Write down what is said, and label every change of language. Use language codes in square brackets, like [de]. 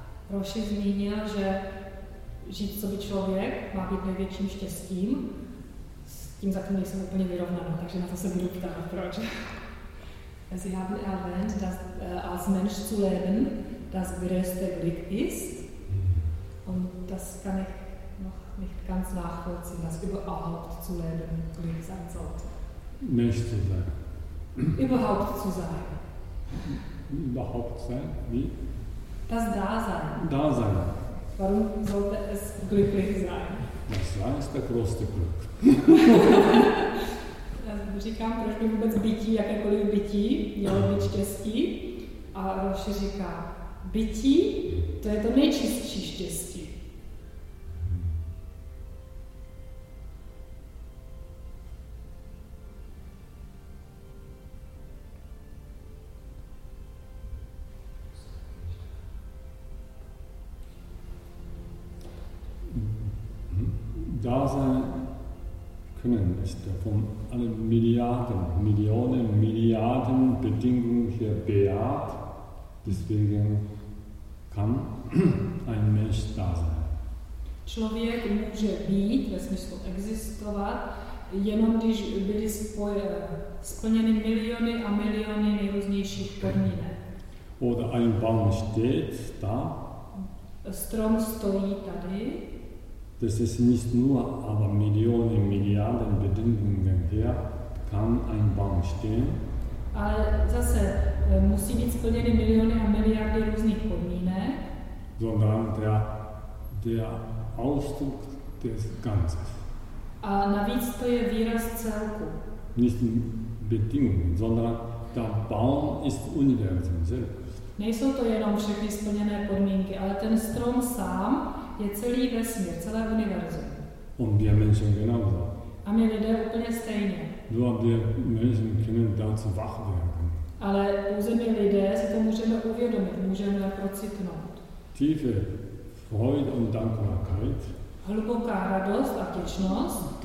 [cs] Roši zmínil, že žít co by člověk má být největším štěstím, s tím zatím nejsem úplně vyrovnaná, takže na to se budu ptát, proč. [de] Sie haben erwähnt, dass als Mensch zu leben das größte Glück ist. Und das kann ich noch nicht ganz nachvollziehen, dass überhaupt zu leben Glück sein sollte. Mensch zu sein. Überhaupt zu sein. Überhaupt sein, wie? Das Dasein. Dasein. Warum sollte es glücklich sein? Das Dasein ist der größte Glück. [cs] Říkám, proč by vůbec bytí, jakékoliv bytí, mělo být štěstí. A Roši říká, bytí, to je to nejčistší štěstí. [de] Dasein können ist von allen Milliarden, Millionen, Milliarden Bedingungen hier beaht. Deswegen kann ein Mensch da sein. [cs] Člověk může být, ve smyslu existovat, jenom když byly splněny miliony a miliony nejrůznějších podmínek. [de] Oder ein Baum steht da. [cs] Strom stojí tady. [de] Das ist nicht nur, aber Millionen, Milliarden Bedingungen her kann ein Baum stehen. [cs] Ale zase musí být splněny miliony a miliardy různých podmínek. [de] Sondern der Ausdruck des Ganzes. [cs] A navíc to je výraz celku. [de] Nicht Bedingungen, sondern der Baum ist Universum selbst. [cs] Nejsou to jenom všechny splněné podmínky, ale ten strom sám je celý vesmír, celé univerzum. [de] Und wir Menschen genauso. [cs] A my lidé úplně stejně. [de] Nur wir Menschen können dazu wach werden. [cs] Ale pouze my lidé si to můžeme uvědomit, můžeme procitnout. [de] Tiefe Freude und Dankbarkeit. [cs] Hluboká radost a vděčnost.